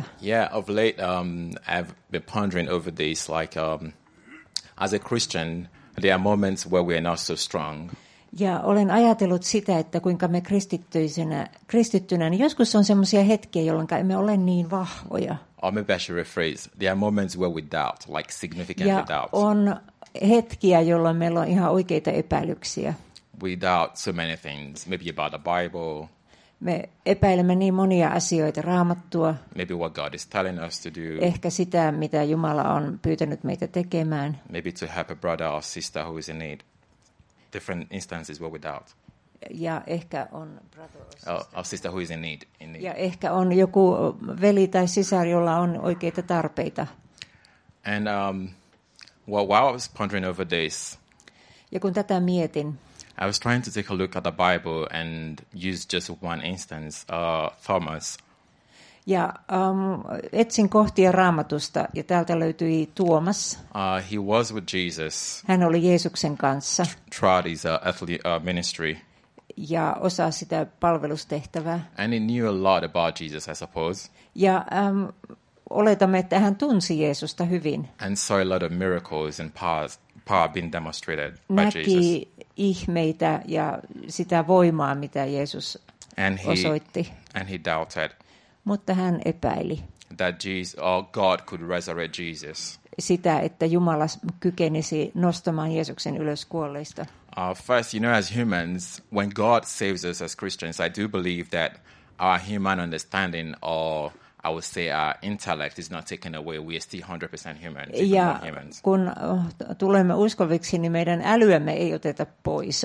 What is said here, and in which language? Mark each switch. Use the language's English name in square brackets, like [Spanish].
[English] Yeah, of late, I've been pondering over this. Like, as a Christian, there are moments where we are not so strong. [Finnish] Ja olen ajatellut sitä, että kuinka me kristittynä, niin joskus on semmoisia hetkiä, jolloin emme ole niin vahvoja. [English] Or maybe I should rephrase. There are moments where we doubt, like significantly doubt. [Finnish] Ja on hetkiä, jolloin meillä on ihan oikeita epäilyksiä. [English] We doubt so many things, maybe about the Bible. [Finnish] Me epäilemme niin monia asioita, Raamattua. [English] Maybe what God is telling us to do. [Finnish] Ehkä sitä, mitä Jumala on pyytänyt meitä tekemään. [English] Maybe to help a brother or sister who is in need. Different instances where we doubt. [Finnish] Ja ehkä on [English] brother or sister. Who is in need. [Finnish] Ja ehkä on joku veli tai sisar, jolla on oikeita tarpeita. [English] And while I was pondering over this. [Finnish] Ja kun tätä mietin. [English] I was trying to take a look at the Bible and use just one instance, Thomas. [Finnish] Ja etsin kohtia Raamatusta ja täältä löytyi Tuomas. [English] He was with Jesus. [Finnish] Hän oli Jeesuksen kanssa. [English] Throughout his earthly ministry. [Finnish] Ja osaa sitä palvelustehtävää. [English] And he knew a lot about Jesus, I suppose. [Finnish] Ja oletamme, että hän tunsi Jeesusta hyvin. [English] And saw a lot of miracles and power being demonstrated by Jesus. [Finnish] Näki ihmeitä ja sitä voimaa, mitä Jeesus osoitti. [English] And he doubted. [Finnish] Mutta hän epäili. [English] That Jesus, or God could resurrect Jesus. [Finnish] Sitä, että Jumala kykenisi nostamaan Jeesuksen ylös kuolleista. [English] First, you know, as humans, when God saves us as Christians, I do believe that our human understanding, or I would say our intellect, is not taken away. We are still 100% human. [Finnish] Ja kun tulemme uskoviksi, niin meidän älyämme ei oteta pois.